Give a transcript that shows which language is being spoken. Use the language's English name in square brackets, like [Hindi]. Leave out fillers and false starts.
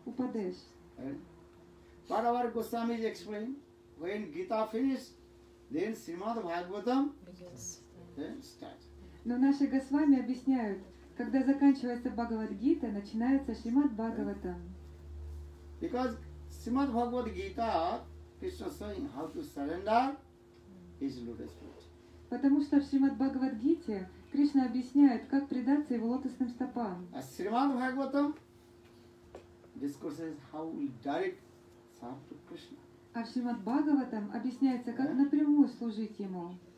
[Sanskrit] Упадеш. [English] Паравар Госвами explain when Gita finish. Then Srimad Bhagavatam starts. [Russian] Но наши Госвами объясняют, когда заканчивается Бхагавад-гита, начинается Шримад Бхагаватам. [English] Because Srimad Bhagavad-гита, Krishna saying how to surrender his lotus feet. [Russian] Потому что в Шримад Бхагавад-гите Кришна объясняет, как предаться его лотосным стопам. [English] А Srimad Bhagavatam discusses how we direct serve to Krishna. [Russian] А в Шримад Бхагаватам объясняется, как напрямую служить ему.